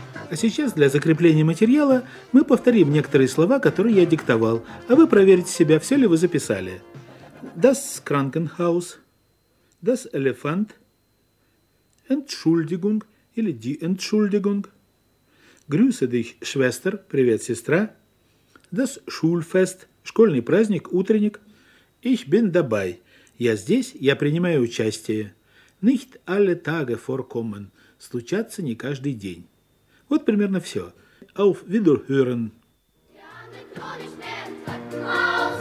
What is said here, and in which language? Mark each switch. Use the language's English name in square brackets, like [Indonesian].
[Russian] А сейчас для закрепления материала мы повторим некоторые слова, которые я диктовал, а вы проверите себя, все ли вы записали. [German] Das Krankenhaus, das Elefant, Entschuldigung [Russian] или [German] die Entschuldigung, Grüße dich, Schwester, [Russian] привет, сестра, [German] das Schulfest, [Russian] школьный праздник, утренник, [German] ich bin dabei, [Russian] я здесь, я принимаю участие, [German] nicht alle Tage vorkommen, [Russian] случаться не каждый день. Вот примерно все. [German] Auf Wiederhören!